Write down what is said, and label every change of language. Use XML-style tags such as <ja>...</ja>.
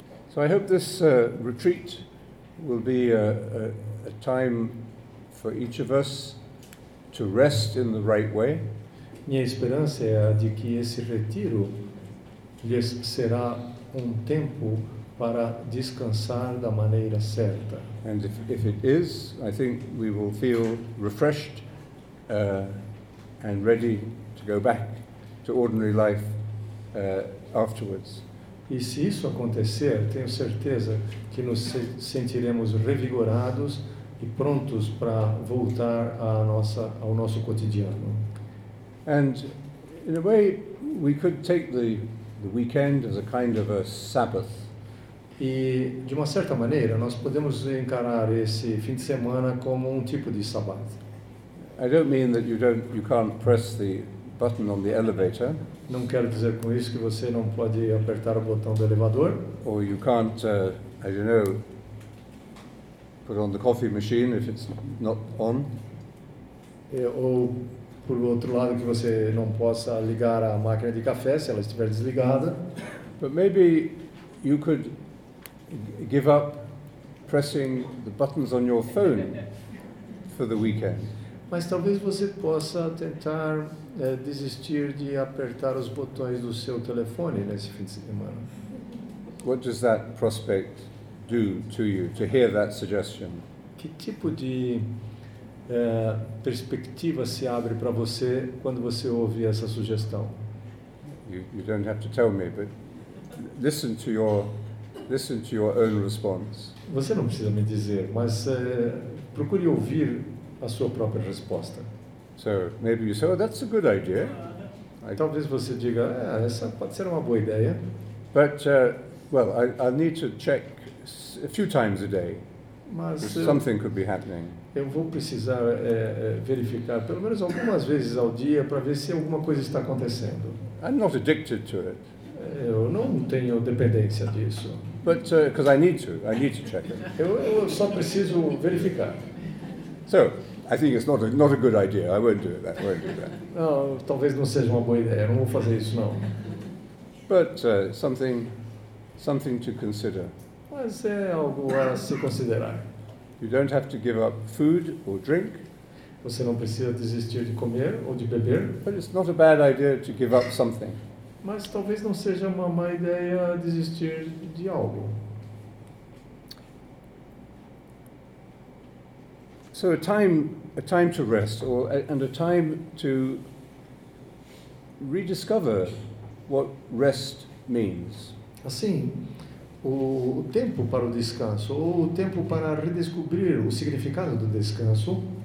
<en>So I hope this retreat will be a time for each of us to rest in the right way.</en> <pt>Minha esperança é a de que esse retiro lhes será um tempo para descansar da maneira certa.</pt> <en>And if it is, I think we will feel refreshed and ready to go back to ordinary life afterwards.</en> <pt>E se isso acontecer, tenho certeza que nos sentiremos revigorados e prontos para voltar ao nosso cotidiano.</pt> <en>And in a way, we could take the weekend as a kind of a Sabbath.</en> <pt>E de uma certa maneira, nós podemos encarar esse fim de semana como um tipo de Sabbath.</pt> <en>I don't mean that you can't press the button on the elevator.</en> <pt>Não quero dizer com isso que você não pode apertar o botão do elevador.</pt> <en>Or you can't, I don't know, put on the coffee machine if it's not on.</en> <pt>Ou, por outro lado, que você não possa ligar a máquina de café se ela estiver desligada.</pt> <en>But maybe you could give up pressing the buttons on your phone for the weekend.</en> <pt>Mas talvez você possa tentar desistir de apertar os botões do seu telefone nesse fim de semana.</pt> <en>What does that prospect do to you to hear that suggestion?</en> <pt>Que tipo de perspectiva se abre para você quando você ouve essa sugestão?</pt> <en>You don't have to tell me, but listen to your own response.</en> <pt>Você não precisa me dizer, mas procure ouvir a sua própria resposta.</pt> <en>So maybe you say, "Oh, that's a good idea."</en> <pt>Talvez você diga, essa pode ser uma boa ideia.</pt> <en>But I need to check a few times a day.</en> <pt>Mas</pt> <en>something could be happening.</en> <pt>Eu vou precisar verificar pelo menos algumas vezes ao dia para ver se alguma coisa está acontecendo.</pt> <en>I'm not addicted to it.</en> <pt>Eu não tenho dependência disso.</pt> <en>But because I need to check it.</en> <pt>Eu só preciso verificar.</pt> <en>So, I think it's not a good idea. I won't do it that. I won't do that.</en> <pt>Não, talvez não seja uma boa ideia. Eu não vou fazer isso não.</pt> <en>But something to consider.</en> <pt>Mas é algo a se considerar.</pt> <en>You don't have to give up food or drink.</en> <pt>Você não precisa desistir de comer ou de beber.</pt> <en>But it's not a bad idea to give up something.</en> <pt>Mas talvez não seja uma má ideia desistir de algo.</pt> <en>So a time to rest, and a time to rediscover what rest means.</en> <pt>Assim, o tempo para o descanso, ou o tempo para redescobrir o significado do descanso.</pt>